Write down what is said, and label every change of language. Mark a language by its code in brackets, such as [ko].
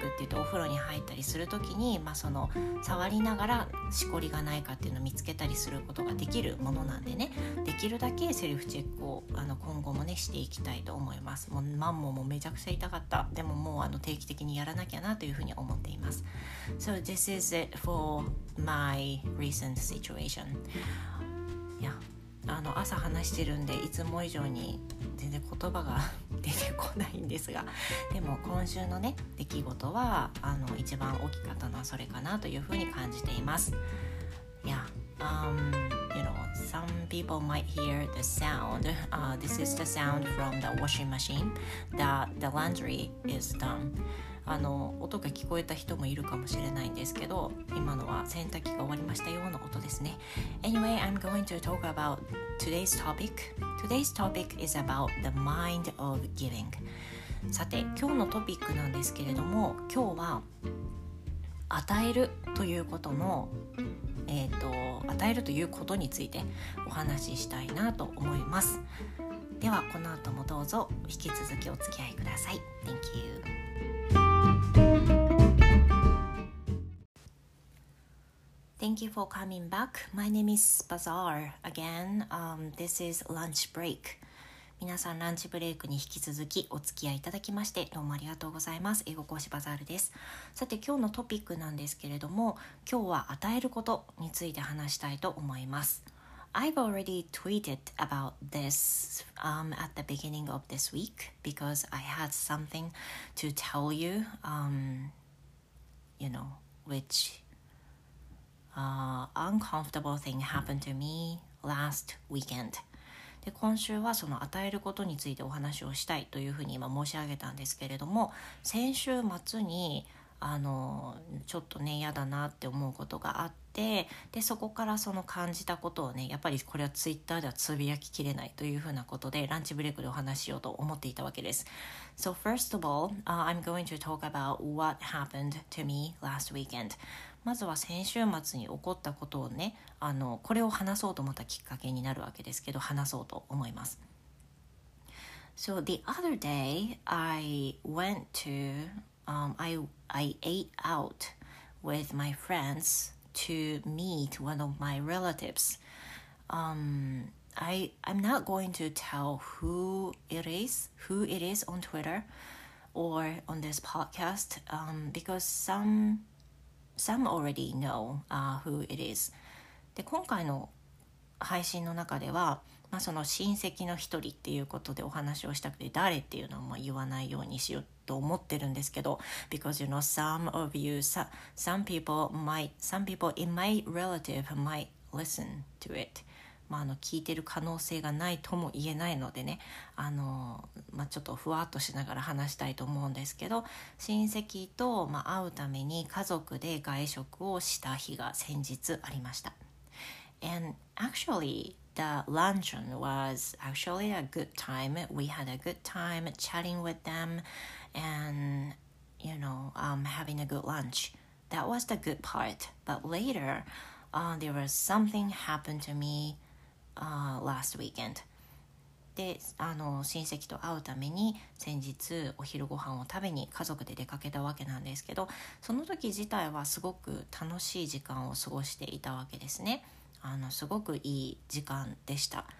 [ja] くって言うと、お風呂に入ったりするときに、まあ、その触りながらしこりがないかっていうのを見つけたりすることができるものなんでね、できるだけセルフチェックを今後もねしていきたいと思います。もうマンモもめちゃくちゃ痛かった。でももう定期的にやらなきゃなというふうに思っています。 [en] So this is it for my recent situation. Yeah. [ja] 朝話してるんでいつも以上に全然言葉が出てこないんですが、でも今週のね出来事は一番大きかったのはそれかなというふうに感じています。 [en] Yeah, you know, some people might hear the sound. This is the sound from the washing machine that the laundry is done. [ja] 音が聞こえた人もいるかもしれないんですけど、今のは洗濯機が終わりましたよの音ですね。 [en] Anyway, I'm going to talk about today's topic. Today's topic is about the mind of giving. [ja] さて、今日のトピックなんですけれども、今日は与えるということの、与えるということについてお話ししたいなと思います。ではこの後もどうぞ引き続きお付き合いください。 [en] Thank you。 Thank you for coming back. My name is Bazaar again. This is lunch break. [ja] 皆さん、ランチブレイクに引き続きお付き合いいただきましてどうもありがとうございます。英語講師バザールです。さて、今日のトピックなんですけれども、今日は与えることについて話したいと思います。 [en] I've already tweeted about this at the beginning of this week because I had something to tell you, you know, whichuncomfortable thing happened to me last weekend. [ja] で、今週はその与えることについてお話をしたいというふうに今申し上げたんですけれども、先週末にちょっとね嫌だなって思うことがあって、でそこからその感じたことをね、やっぱりこれはツイッターではつぶやききれないというふうなことでランチブレイクでお話しようと思っていたわけです。 [en] So first of all, I'm going to talk about what happened to me last weekend. [ja] まずは先週末に起こったことをね、これを話そうと思ったきっかけになるわけですけど、話そうと思います。 [en] So the other day, I went to, I ate out with my friends to meet one of my relatives. I'm not going to tell who it is on Twitter or on this podcast, because some already know who it is. [ja] で、今回の配信の中では、まあ、その親戚の一人っていうことでお話をしたくて、誰っていうのも言わないようにしようと思ってるんですけど、 [en] because you know some people in my relative might listen to it。 [ja] まあ聞いてる可能性がないとも言えないのでね、まあ、ちょっとふわっとしながら話したいと思うんですけど、親戚と、まあ、会うために家族で外食をした日が先日ありました。 [en] And actually the luncheon was actually a good time. We had a good time chatting with them and you know, having a good lunch. That was the good part. But later, there was something happened to me last weekend. [ja] で、親戚と会うために先日お昼ご飯を食べに家族で出かけたわけなんですけど、その時自体はすごく楽しい時間を過ごしていたわけですね。すごくいい時間でした。